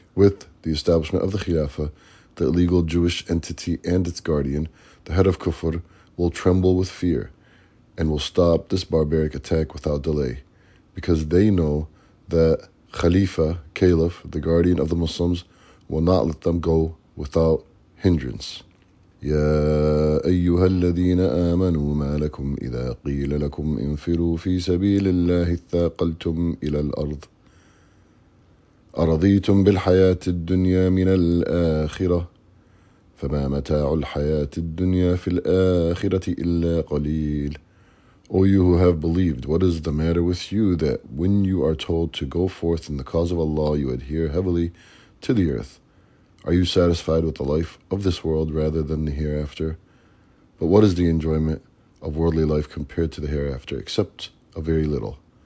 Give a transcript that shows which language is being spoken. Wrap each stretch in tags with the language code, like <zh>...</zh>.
<en>With the establishment of the Khilafah, the illegal Jewish entity and its guardian, the head of Kufr, will tremble with fear and will stop this barbaric attack without delay, because they know that Khalifa, Caliph, the guardian of the Muslims, will not let them go without hindrance.</en> <ar>يا أيها الذين آمنوا ما لكم إذا قيل لكم انفروا في سبيل الله اثاقلتم إلى الأرض أرضيتم بالحياة الدنيا من الآخرة فما متاع الحياة الدنيا في الآخرة إلا قليل.</ar> <en>O you who have believed, what is the matter with you that when you are told to go forth in the cause of Allah you adhere heavily to the earth? Are you satisfied with the life of this world rather than the hereafter? But what is the enjoyment of worldly life compared to the hereafter, except a very little?</en>